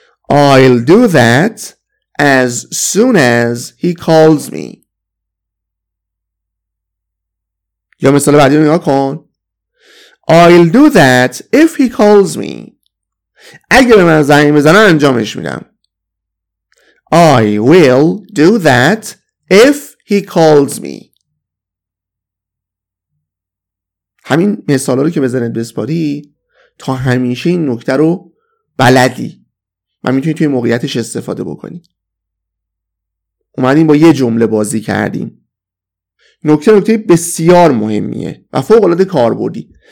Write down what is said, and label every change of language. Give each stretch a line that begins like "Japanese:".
English: I'll do that as soon as he calls me.
Persian: یا مثال بعدی رو نگاه کن،
English: I'll do that if he calls me،
Persian: اگه به من زنگ بزنه انجامش میدم.
English: I will do that if he calls me.
Persian: همین مثال رو که بزنید بسپاری تا همیشه این نکته رو بلدی و میتونی توی موقعیتش استفاده بکنی. اومدیم با یه جمله بازی کردیم. نکته بسیار مهمیه و فوق العاده کاربردی.